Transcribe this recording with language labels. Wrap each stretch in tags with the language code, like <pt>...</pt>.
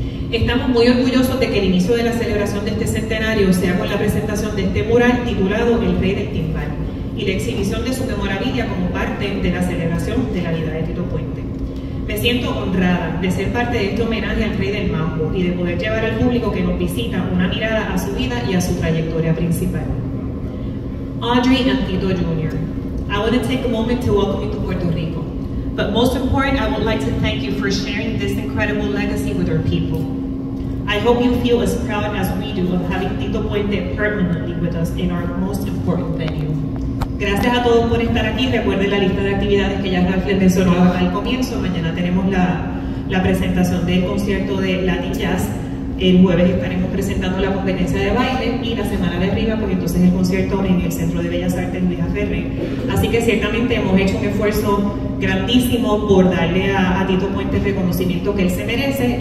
<es>Estamos muy orgullosos de que el inicio de la celebración de este centenario sea con la presentación de este mural titulado El Rey del Timbal y la exhibición de su memorabilia como parte de la celebración de la vida de Tito Puente. Me siento honrada de ser parte de este homenaje al Rey del Mambo y de poder llevar al público que nos visita una mirada a su vida y a su trayectoria principal.</es> <en>Audrey and Tito Jr., I want to take a moment to welcome you to Puerto Rico. But most important, I would like to thank you for sharing this incredible legacy with our people. I hope you feel as proud as we do of having Tito Puente permanently with us in our most important venue.</en> <es>Gracias a todos por estar aquí. Recuerden la lista de actividades que ya les mencionó al comienzo. Mañana tenemos la presentación del concierto de Latin Jazz. El jueves estaremos presentando la competencia de baile. Y la semana de arriba, pues entonces el concierto en el Centro de Bellas Artes Luisa Ferré. Así que ciertamente hemos hecho un esfuerzo grandísimo por darle a Tito Puente el reconocimiento que él se merece.</es>